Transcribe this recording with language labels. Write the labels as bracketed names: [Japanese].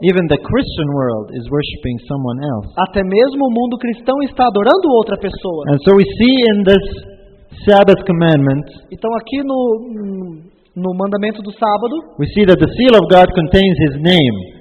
[English] Even the Christian world is worshiping someone else. [Portuguese] Até mesmo o mundo cristão está adorando outra pessoa. [English] And so we see in this Sabbath commandment. [Portuguese] Então aqui no mandamento do sábado, [English] we see that the seal of God contains his name.